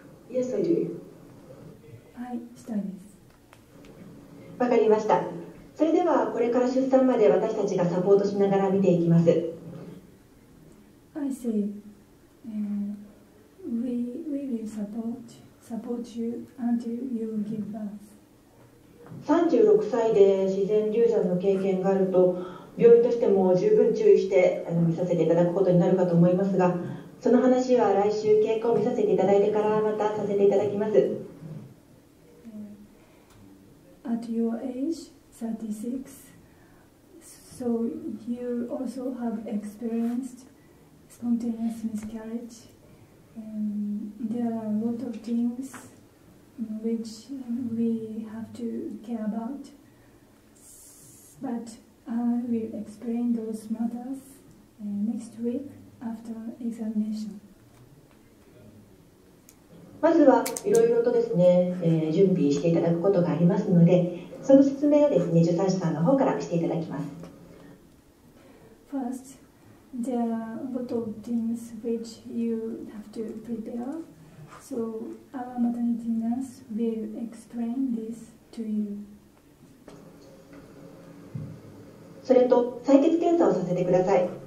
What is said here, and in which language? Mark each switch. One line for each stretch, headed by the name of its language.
English: Yes, I do.
Japanese: はい、したいです。わかりました。それではこれから出産まで私たちがサポートしながら見ていきます。
English: I see. We will support you until you give birth.
Japanese: 36歳で自然流産の経験があると、病院としても十分注意して見させていただくことになるかと思いますが、その話は来週経過を見させていただいてからまたさせていただきます。
English: At your age, 36, so you also have experienced spontaneous miscarriage. There are a lot of things which we have to care about, but I will explain those matters next week. After examination.
Japanese: まずはいろいろとですね、準備していただくことがありますので、その説明をですね、助産師さんの方からしていただきます。
English: First, there are a lot of things which you have to prepare, so our maternity nurse will explain this to you.
Japanese: それと採血検査をさせてください。